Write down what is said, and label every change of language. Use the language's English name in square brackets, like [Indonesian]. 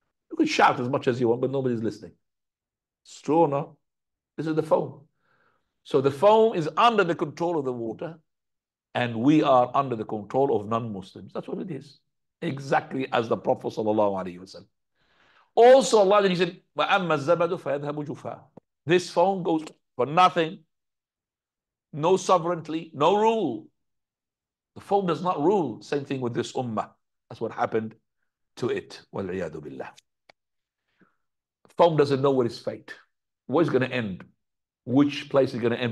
[English] You can shout as much as you want, but nobody's listening. Trona. This is the foam. So the foam is under the control of the water, and we are under the control of non-Muslims. That's what it is. Exactly as the Prophet sallallahu alaihi wasallam. Also Allah said, [Arabic] وَأَمَّا الزَّبَدُ فَيَذْهَبُ جُفَى. [English] This foam goes for nothing. No sovereignty, no rule. The foam does not rule. Same thing with this ummah. That's what happened to it. [Arabic] وَالْعِيَادُ بِاللَّهِ. [English] Foam doesn't know what its fate. Where's going to end? Which place is going to end?